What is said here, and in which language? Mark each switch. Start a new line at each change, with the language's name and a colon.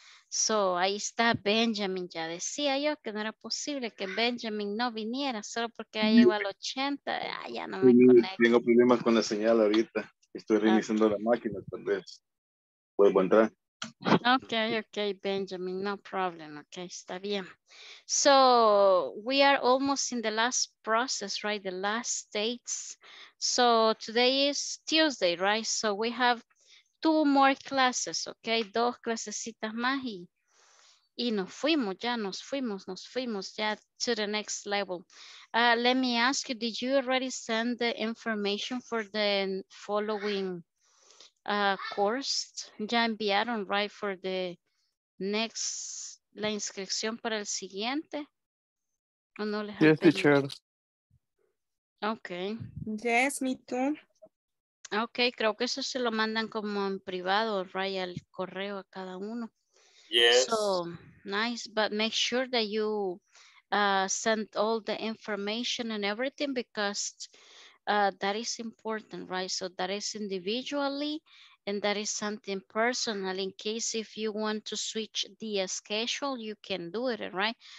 Spanish: So, ahí está Benjamin, ya decía yo que no era posible que Benjamin no viniera, solo porque ya llegó al 80, ya no me conecto. Tengo problemas con la señal ahorita, estoy reiniciando la máquina, tal vez vuelvo a entrar.
English: Ok, Benjamin, no problem, ok,
Spanish: está bien.
English: So, we are almost in the last process, right, the last dates. So, today is Tuesday, right, so we have two more classes, ok,
Spanish: dos clasecitas más y nos fuimos ya
English: to the next level. Let me ask you, did you already send the information for the following course?
Spanish: Ya enviaron, right,
English: for the next,
Spanish: la inscripción para el siguiente? ¿O no les
English: yes, teacher. Ok. Yes, me too.
Spanish: Ok, creo que eso se lo mandan como en privado, right, al correo a cada uno.
English: Yes. So, nice, but make sure that you send all the information and everything because that is important, right? So that is individually and that is something personal in case if you want to switch the schedule, you can do it, right?